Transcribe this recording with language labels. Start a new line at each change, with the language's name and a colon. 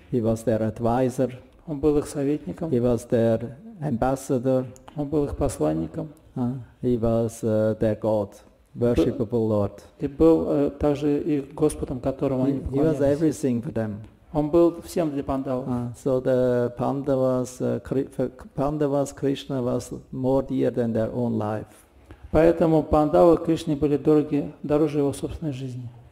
English: He was their advisor.
Russian: Он был их советником.
English: He was their ambassador.
Russian: Он был их посланником.
English: He was their God, worshipable Lord.
Russian: И был также их Господом, которому они поклонялись.
English: He was everything for them.
Russian: Он был всем для Пандавов.
English: So the Pandavas, Pandavas, Krishna was more dear than their own life.
Russian: Поэтому Пандавы Кришне были дороги, дороже его собственной жизни.